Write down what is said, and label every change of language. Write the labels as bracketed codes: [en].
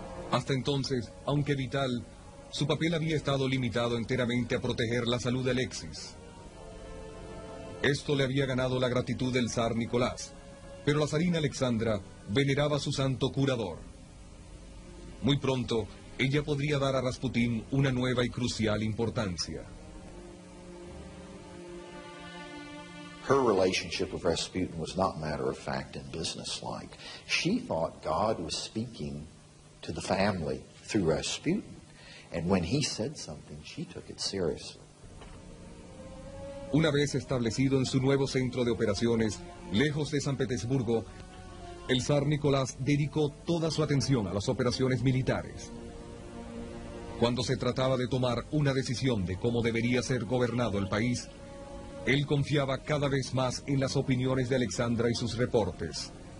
[es] Hasta entonces, aunque vital, su papel había estado limitado enteramente a proteger la salud de Alexis. Esto le había ganado la gratitud del zar Nicolás, pero la zarina Alexandra veneraba a su santo curador. Muy pronto, ella podría dar a Rasputín una nueva y crucial importancia. [en] Her relationship with Rasputin was not matter of fact and businesslike. She thought God was speaking to the family through Rasputin, and when he said something, she took it seriously. [es] Una vez establecido en su nuevo centro de operaciones, lejos de San Petersburgo, el zar Nicolás dedicó toda su atención a las operaciones militares. Cuando se trataba de tomar una decisión de cómo debería ser gobernado el país, él confiaba cada vez más en las opiniones de Alexandra y sus reportes.